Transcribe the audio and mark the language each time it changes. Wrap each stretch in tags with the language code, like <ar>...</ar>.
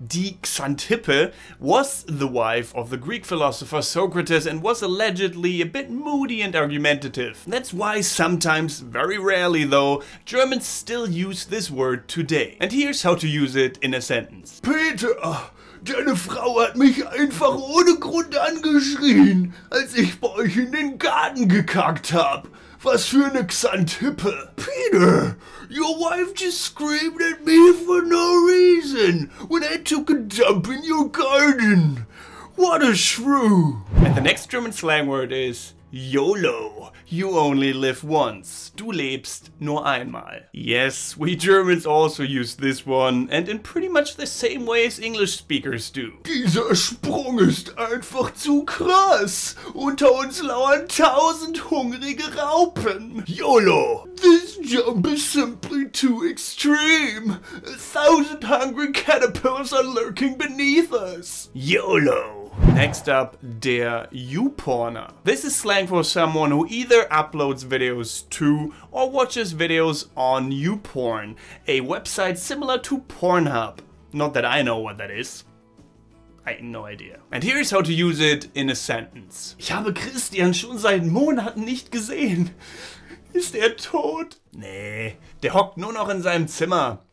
<en>Die Xanthippe was the wife of the Greek philosopher Socrates and was allegedly a bit moody and argumentative. That's why sometimes, very rarely though, Germans still use this word today. And here's how to use it in a sentence.</en> <de>Peter! Deine Frau hat mich einfach ohne Grund angeschrien, als ich bei euch in den Garten gekackt hab. Was für eine Xanthippe.</de> <en>Peter, your wife just screamed at me for no reason when I took a dump in your garden. What a shrew. And the next German slang word is YOLO. You only live once.</en> <de>Du lebst nur einmal.</de> <en>Yes, we Germans also use this one and in pretty much the same way as English speakers do.</en> <de>Dieser Sprung ist einfach zu krass. Unter uns lauern 1000 hungrige Raupen. YOLO.</de> <en>This jump is simply too extreme. 1000 hungry caterpillars are lurking beneath us. YOLO. Next up, der YouPorner. This is slang for someone who either uploads videos to or watches videos on YouPorn, a website similar to Pornhub. Not that I know what that is. I have no idea. And here's how to use it in a sentence.</en> <de>Ich habe Christian schon seit Monaten nicht gesehen. Ist tot? Nee, der hockt nur noch in seinem Zimmer.</de>